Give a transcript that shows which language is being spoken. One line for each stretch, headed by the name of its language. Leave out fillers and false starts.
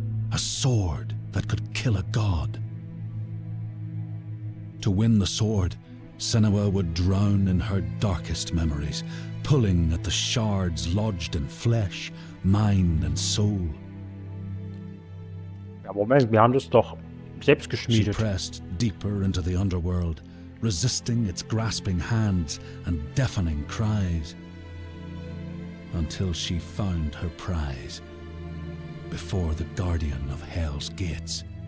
English: A sword that could kill a god. To win the sword, Senua would drown in her darkest memories, pulling at the shards lodged in flesh, mind and soul.
German: Ja, Moment, wir haben das doch selbst geschmiedet.
English: She pressed deeper into the underworld, resisting its grasping hands and deafening cries, until she found her prize before the guardian of Hell's gates.